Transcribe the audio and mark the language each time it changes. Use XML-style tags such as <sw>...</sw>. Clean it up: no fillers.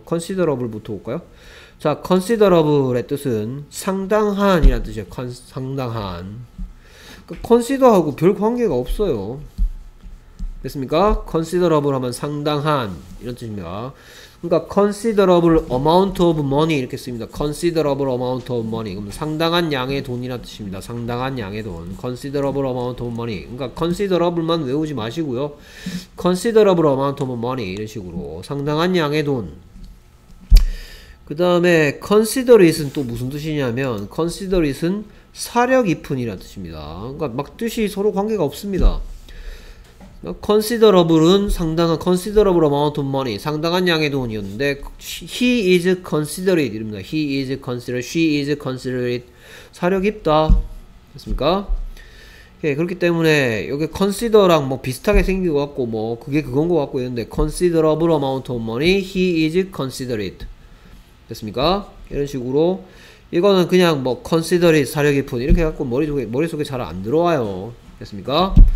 <ko>considerable부터 볼까요? 자, considerable의 뜻은 상당한이라는 뜻이에요. 상당한. 그러니까 consider하고 별 관계가 없어요. 됐습니까? considerable 하면 상당한 이런 뜻입니다. 그러니까</ko> <en>considerable amount of money</en> <ko>이렇게 씁니다.</ko> <en>considerable amount of money</en> <ko>그럼 상당한 양의 돈이라는 뜻입니다. 상당한 양의 돈</ko> <en>considerable amount of money</en> <ko>그러니까 considerable만 외우지 마시고요 considerable amount of money 이런 식으로 상당한 양의 돈. 그 다음에 considerate은 또 무슨 뜻이냐면 considerate은 사려 깊은이라는 뜻입니다. 그러니까 막 뜻이 서로 관계가 없습니다.</ko> <en>Considerable은 상당한 considerable amount of money</en> <ko>상당한 양의 돈이었는데</ko> <en>he is considerate 이릅니다. He is considerate, she is considerate</en> <ko>사려 깊다 됐습니까? 예, 그렇기 때문에 여기 consider랑 뭐 비슷하게 생긴 것 같고 뭐 그게 그건 것 같고 있는데</ko> <en>considerable amount of money he is considerate</en> <ko>됐습니까? 이런 식으로 이거는 그냥 뭐 considerate 사려 깊은 이렇게 갖고 머릿속에 잘 안 들어와요 됐습니까?</ko>